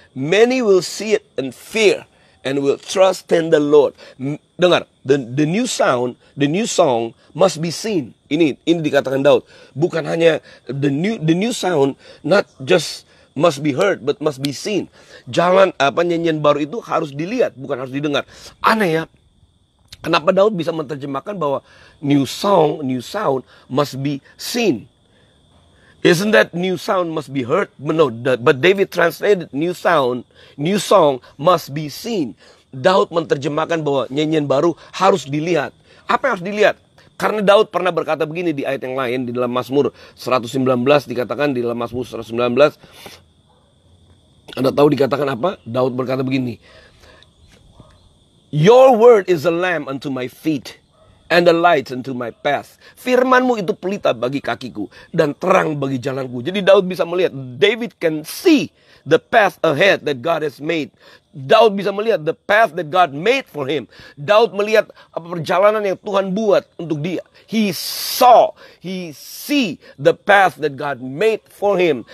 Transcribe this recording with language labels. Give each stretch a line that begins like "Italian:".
English: Many will see it and fear, and will trust in the Lord.
Indonesian: Dengar,
English: the new sound, the new song must be seen.
Indonesian: Ini dikatakan Daud. Bukan hanya
English: the new sound, not just must be heard, but must be seen.
Indonesian: Jalan apa nyanyian baru itu harus dilihat, bukan harus didengar. Aneh ya. Kenapa Daud bisa menerjemahkan bahwa
English: new song, new sound must be seen? Isn't that new sound must be heard? No, but David translated new sound, new song must be seen.
Indonesian: Daud menerjemahkan bahwa nyanyian baru harus dilihat. Apa yang harus dilihat? Karena Daud pernah berkata begini di ayat yang lain, di dalam Mazmur 119, dikatakan di dalam Mazmur 119, Anda tahu dikatakan apa? Daud berkata begini,
English: Your word is a lamp unto my feet and a light unto my path.
Indonesian: Firman-Mu itu pelita bagi kakiku dan terang bagi jalanku. Jadi Daud bisa melihat,
English: David can see the path ahead that God has made.
Indonesian: Daud bisa melihat
English: the path that God made for him.
Indonesian: Daud melihat apa perjalanan yang Tuhan buat untuk dia.
English: He see the path that God made for him.